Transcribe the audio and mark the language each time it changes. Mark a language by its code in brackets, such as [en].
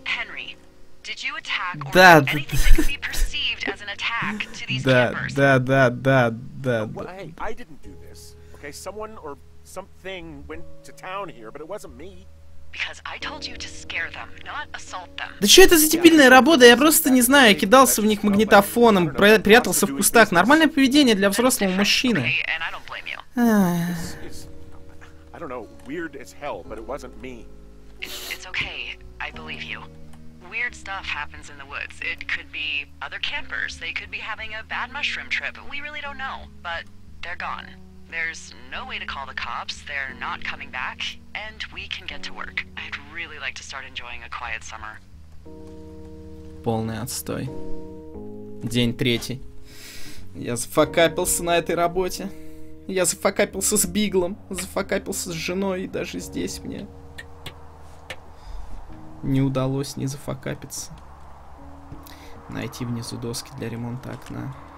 [en] Henry, did you attack or anything that could be perceived as an attack to these campers? [ru] Да. [en] Well, hey, I didn't do this, okay? Someone or something went to town here, but it wasn't me. Because I told you to scare them, not assault them. [ru] Да что это за дебильная работа? Я просто не знаю, я кидался в них магнитофоном, прятался в кустах. Нормальное поведение для взрослого мужчины. [en] I don't know, weird as hell, but it wasn't me. It's okay, I believe you. Weird stuff happens in the woods. It could be other campers. They could be having a bad mushroom trip. We really don't know, but they're gone. There's no way to call the cops. They're not coming back, and we can get to work. I'd really like to start enjoying a quiet summer. [ru] Полный отстой. День третий. Я зафакапился на этой работе. Я зафакапился с Биглом. Зафакапился с женой, и даже здесь мне не удалось не зафакапиться. Найти внизу доски для ремонта окна.